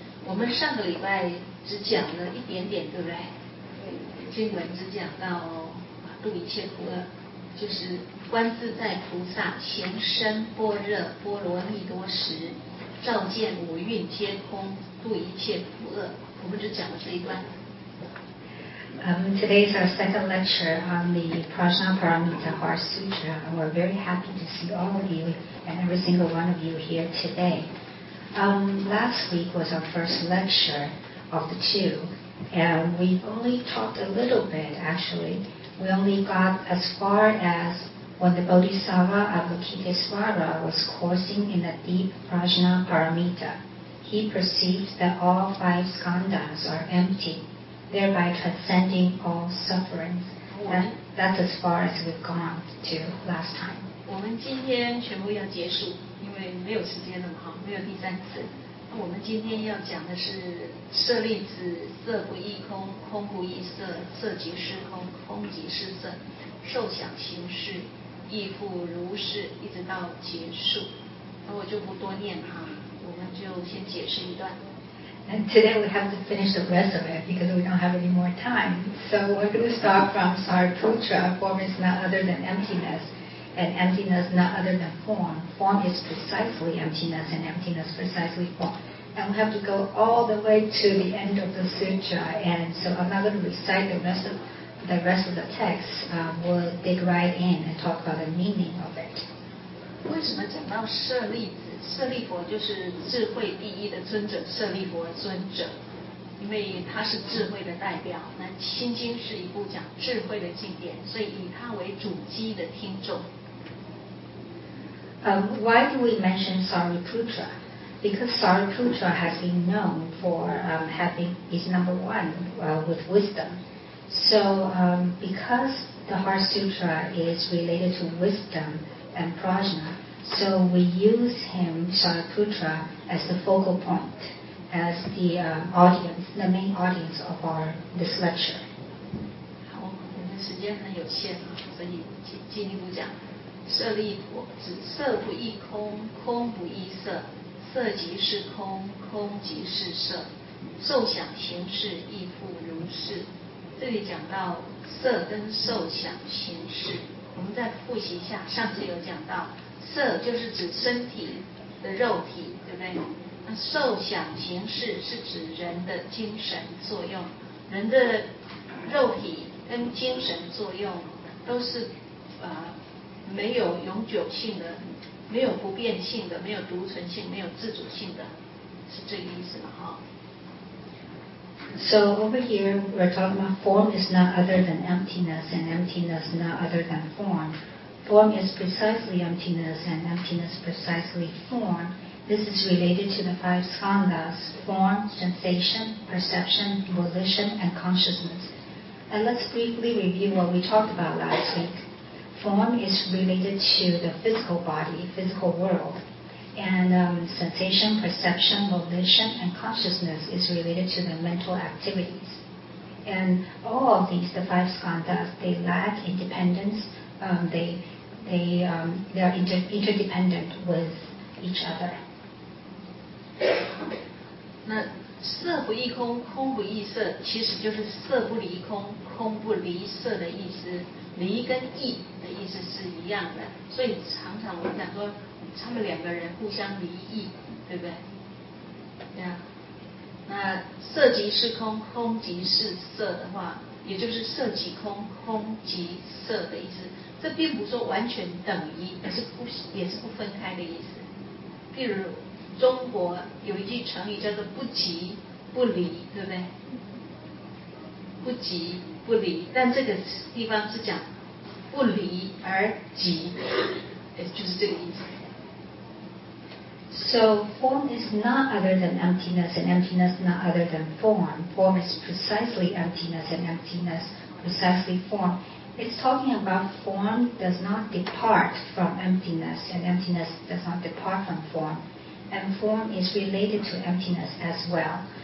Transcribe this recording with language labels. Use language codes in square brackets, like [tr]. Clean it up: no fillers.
[zh] 我们上个礼拜只讲了一点点，对不对？经文只讲到度一切苦厄，就是观自在菩萨行深般若波罗蜜多时，照见五蕴皆空，度一切苦厄。我们只讲了这一段。 [en] Today is our second lecture on the Prajnaparamita Heart Sutra, and we're very happy to see all of you and every single one of you here today. Last week was our first lecture of the two, and we've only talked a little bit, actually. We only got as far as when the Bodhisattva Avalokiteshvara was coursing in the deep Prajnaparamita. He perceived that all five skandhas are empty. Thereby transcending all sufferings. That's as far as we've gone to last time. [zh] 我们今天全部要结束，因为没有时间了嘛，哈，没有第三次。那我们今天要讲的是舍利子，色不异空，空不异色，色即是空，空即是色，受想行识，亦复如是，一直到结束。那我就不多念哈，我们就先解释一段。 [en] And today we have to finish the rest of it because we don't have any more time. So we're going to start from Sariputra. Form is not other than emptiness, and emptiness not other than form. Form is precisely emptiness, and emptiness precisely form. And we have to go all the way to the end of the sutra. And so I'm not going to recite the rest of the text. We'll dig right in and talk about the meaning of it. [zh] 为什么讲到舍利子？舍利弗就是智慧第一的尊者，舍利弗尊者，因为他是智慧的代表。那《心经》是一部讲智慧的经典，所以以他为主基的听众。 [en] Why do we mention Sariputra? Because Sariputra has been known for having is number one with wisdom. So because the Heart Sutra is related to wisdom and prajna. So we use him, Sariputra, as the focal point, as the audience, the main audience of this lecture. [zh] 好，我们时间很有限，所以进一步讲。舍利弗，指色不异空，空不异色，色即是空，空即是色，受想行识亦复如是。这里讲到色跟受想行识，我们再复习一下，上次有讲到。色就是指身体的肉体，对不对？那受想行识是指人的精神作用，人的肉体跟精神作用都是没有永久性的，没有不变性的，没有独存性，没有自主性的，是这个意思吗？哈。 [en] So over here we're talking about form is not other than emptiness, and emptiness not other than form. Form is precisely emptiness, and emptiness precisely form. This is related to the five skandhas, form, sensation, perception, volition, and consciousness. And let's briefly review what we talked about last week. Form is related to the physical body, physical world. And sensation, perception, volition, and consciousness is related to the mental activities. And all of these, the five skandhas, they lack independence, they are interdependent with each other. [zh] 那色不异空，空不异色，其实就是色不离空，空不离色的意思。离跟异的意思是一样的，所以常常我们讲说，他们两个人互相离异，对不对？这样，那色即是空，空即是色的话，也就是色即空，空即色的意思。这并不是说完全等于，也是不分开的意思。譬如中国有一句成语叫做不急不离，对不对？不急不离，但这个地方是讲不离而急，就是这个意思。 [en] So form is not other than emptiness, and emptiness not other than form. Form is precisely emptiness, and emptiness precisely form. It's talking about form does not depart from emptiness, and emptiness does not depart from form. And form is related to emptiness as well.